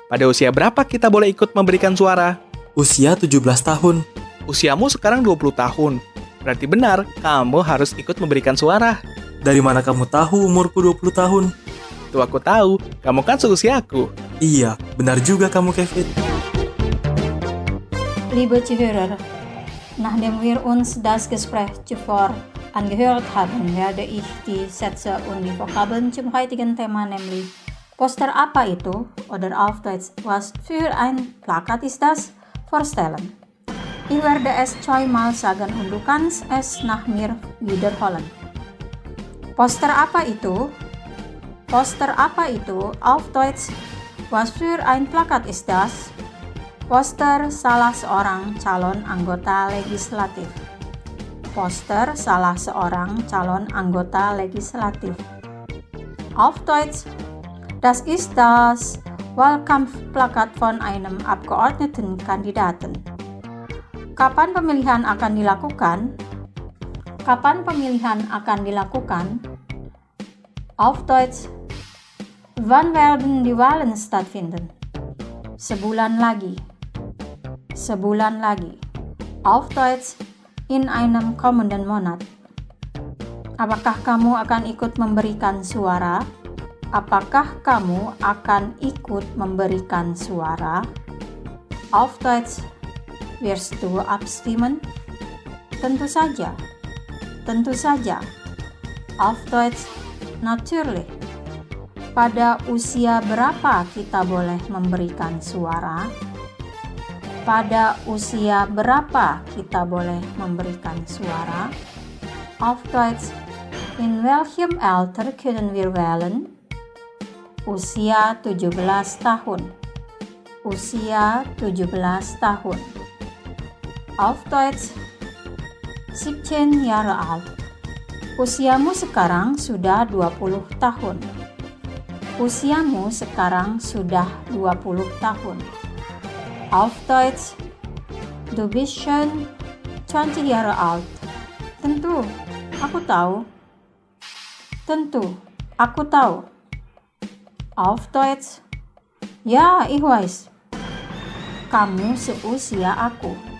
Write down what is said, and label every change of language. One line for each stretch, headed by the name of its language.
Indonesian: Pada usia berapa kita boleh ikut memberikan suara? Usia 17 tahun. Usiamu sekarang 20 tahun. Berarti benar, kamu harus ikut memberikan suara. Dari mana kamu tahu umurku 20 tahun? Itu aku tahu, kamu kan seusia aku. Iya, benar juga kamu, Kevin.
German: Liebe Zuhörer, nachdem wir uns das Gespräch zuvor angehört haben, werde ich die Sätze und die Vokabeln zum heutigen Thema, nämlich
Indonesian: Poster apa itu,
German: oder auf Deutsch, was für ein Plakat ist das, vorstellen. Ich werde es zweimal sagen und du kannst es nach mir wiederholen.
Indonesian: Poster apa itu? Poster apa itu?
German: Auf Deutsch, was für ein Plakat ist das?
Indonesian: Poster salah seorang calon anggota legislatif. Poster salah seorang calon anggota legislatif.
German: Auf Deutsch, das ist das Wahlkampfplakat von einem Abgeordnetenkandidaten.
Indonesian: Kapan pemilihan akan dilakukan? Kapan pemilihan akan dilakukan?
German: Auf Deutsch, wann werden die Wahlen stattfinden?
Indonesian: Sebulan lagi. Sebulan lagi.
German: Auf Deutsch, in einem kommenden Monat.
Indonesian: Apakah kamu akan ikut memberikan suara? Apakah kamu akan ikut memberikan suara?
German: Auf Deutsch, wirst du abstimmen?
Indonesian: Tentu saja. Tentu saja.
German: Auf Deutsch, natürlich.
Indonesian: Pada usia berapa kita boleh memberikan suara? Pada usia berapa kita boleh memberikan suara?
German: Auf Deutsch, in welchem Alter können wir wählen?
Indonesian: Usia 17 tahun. Usia 17 tahun.
German: Auf Deutsch, 17 Jahre alt.
Indonesian: Usiamu sekarang sudah 20 tahun. Usiamu sekarang sudah 20 tahun.
German: Auf Deutsch, du bist schon 20 Jahre alt.
Indonesian: Tentu, aku tahu. Tentu, aku tahu.
German: Auf Deutsch, ja, ich weiß.
Indonesian: Kamu seusia aku.